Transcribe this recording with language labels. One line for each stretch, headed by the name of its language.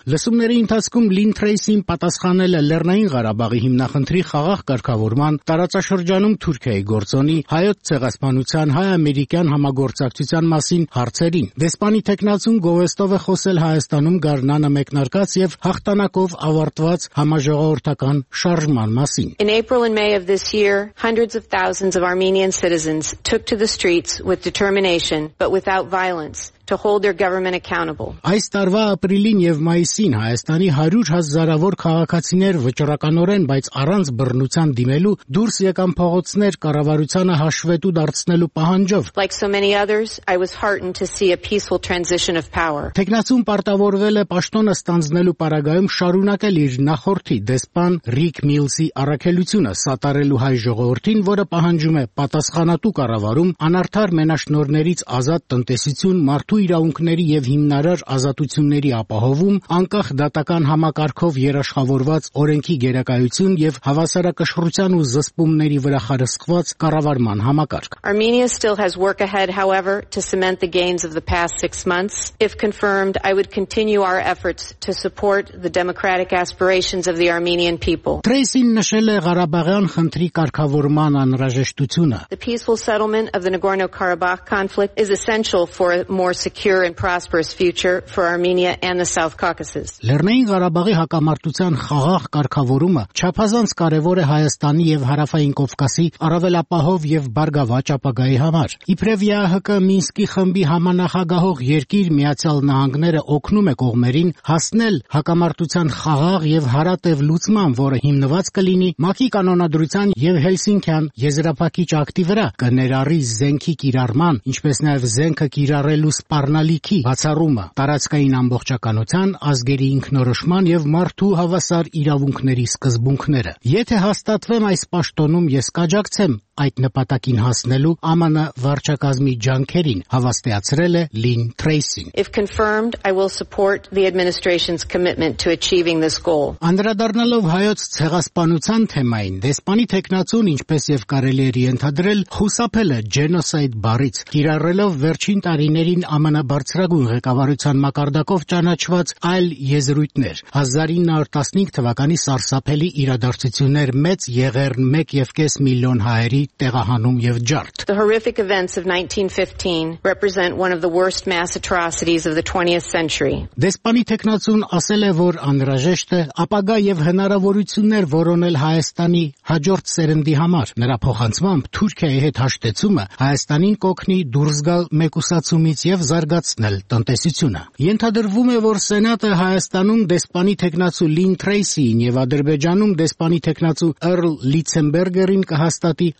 Armenian: Լսումների ընթացքում Լին Թրեյսին պատասխանել է Լեռնային Ղարաբաղի հիմնախնդրի խաղաղ կարգավորման, տարածաշրջանում Թուրքիայի գործոնի, հայոց ցեղասպանության, հայ-ամերիկյան համագործակցության մասին հարցերին։ Դեսպանի թեկնածուն Գովեստո ով է խոսել Հայաստանում գարնանը մեկնարկած և հաղթանակով ավարտված համաժողովրդական շարժման մասին։
English: In April and May of this year, hundreds of thousands of Armenian citizens took to the streets with determination, but without violence. To hold their government accountable.
Armenian: Այս տարվա ապրիլին եւ մայիսին Հայաստանի 100 հազարավոր քաղաքացիներ վճռականորեն, բայց առանց բռնության դիմելու դուրս եկան փողոցներ կառավարությանը հաշվետու դարձնելու պահանջով։
English: Like so many others, I was heartened to see a peaceful transition of power.
Armenian: Թեկնածուն պարտավորվել է պաշտոնը ստանձնելու պարագայում շարունակել իր նախորդի դեսպան Ռիկ Միլսի առաքելությունը սատարելու հայ ժողովրդին, որը պահանջում է պատասխանատու կառավարում, անարդար մենաշնորներից ազատ տնտեսություն, Արդու իրավունքների և հիմնարար ազատությունների ապահովում, անկախ դատական համակարգով երաշխավորված օրենքի գերակայություն և հավասարակշռության ու զսպումների վրա խարսված կառավարման համակարգ։
English: Armenia still has work ahead, however, to cement the gains of the past 6 months. If confirmed, I would continue our efforts to support the democratic aspirations of the Armenian people.
Armenian: Թրեյսին նշել է Ղարաբաղյան խնդրի կարգավորման անհրաժեշտությունը։
English: The peaceful settlement of the Nagorno-Karabakh conflict is essential for more secure and prosperous future for Armenia and the South Caucasus.
Armenian: Լեռնային Ղարաբաղի հակամարտության խաղաղ կարգավորումը չափազանց կարևոր է Հայաստանի եւ Հարավային Կովկասի առավելապահով եւ բարգավաճ ապագայի համար։ Իբրև ՀՀԿ Մինսկի խմբի համանախագահող երկիր Միացյալ Նահանգները օգնում է կողմերին հասնել հակամարտության խաղաղ եւ հարատեւ լուծման, որը հիմնված կլինի ՄԱԿ-ի կանոնադրության եւ Հելսինկյան եզրափակիչ ակտի վրա, կներառի զենքի կիրառման, ինչպես նաեւ զենքը կիրառման Ռելու սպառնալիքի բացառումը, տարածքային ամբողջականության, ազգերի ինքնորոշման եւ մարդու հավասար իրավունքների սկզբունքները։ Եթե հաստատվեմ այս պաշտոնում, ես կաջակցեմ այդ նպատակին հասնելու ԱՄՆ վարչակազմի ջանքերին, հավաստիացրել է Լին Թրեյսին։
English: If confirmed, I will support the administration's commitment to achieving this goal.
Armenian: Անդրադառնալով հայոց ցեղասպանության թեմային, դեսպանի թեկնածուն, ինչպես եւ կարելի է ենթադրել, խուսափել է ջենոսայդ բառից, կիրառելով վերջին տարիներին ԱՄՆ բարձրագույն ղեկավարության մակարդակով ճանաչված այլ եզրույթներ. 1915 թվականի սարսափելի իրադարձություններ, մեծ եղերն 1.5 միլիոն հայ տեղահանում եւ ջարդ։
English: The horrific events of 1915 represent one of the worst mass atrocities of the 20th century.
Armenian: Դեսպանի թեկնածուն ասել է, որ անհրաժեշտ է ապագա եւ հնարավորություններ որոնել Հայաստանի հաջորդ սերնդի համար։ Նրա փոխանցմամբ Թուրքիայի հետ հաշտեցումը Հայաստանին կօգնի դուրս գալ մեկուսացումից եւ զարգացնել տնտեսությունը։ Ենթադրվում է, որ Սենատը Հայաստանում դեսպանի թեկնածու Լին Թրեյսին եւ Ադրբեջանում դեսպանի թեկնածու Էրլ Լիցենբերգերին կհաստատի